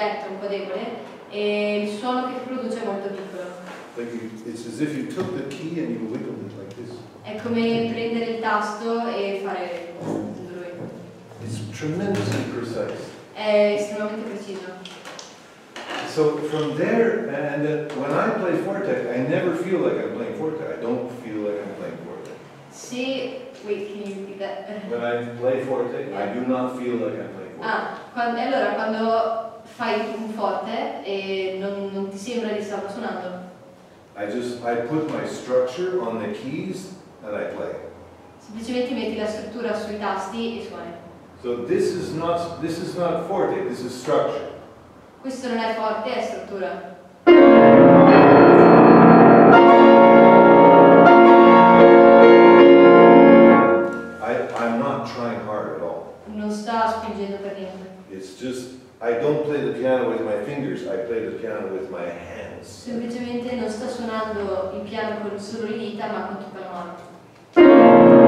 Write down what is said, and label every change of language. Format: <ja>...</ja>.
<it>Un po' debole e il suono che produce è molto piccolo.</it> <en>like you, it's as if you took the key and you wiggled it like this.</en> <it>È come prendere il tasto e fare.</it> <en>It's tremendously precise.</en> <it>È estremamente preciso.</it> <en>So from there, and when I play forte, I never feel like I'm playing forte. I don't feel like I'm playing forte. Sì, wait, can you repeat that? When I play forte, yeah. I do not feel like I'm playing forte.</en> <it>Ah, quando, allora, quando fai un forte, e non ti sembra di star suonando?</it> <en>I put my structure on the keys, and I play.</en> <it>Semplicemente metti la struttura sui tasti e suoni.</it> <en>So this is not forte, this is structure.</en> <it>Questo non è forte, è struttura.</it> <en>I'm not trying hard at all.</en> <it>Non sto spingendo per niente.</it> <en>It's just, I don't play the piano with my fingers, I play the piano with my hands.</en> <it>Semplicemente non sto suonando il piano con solo le dita, ma con tutta la mano.</it>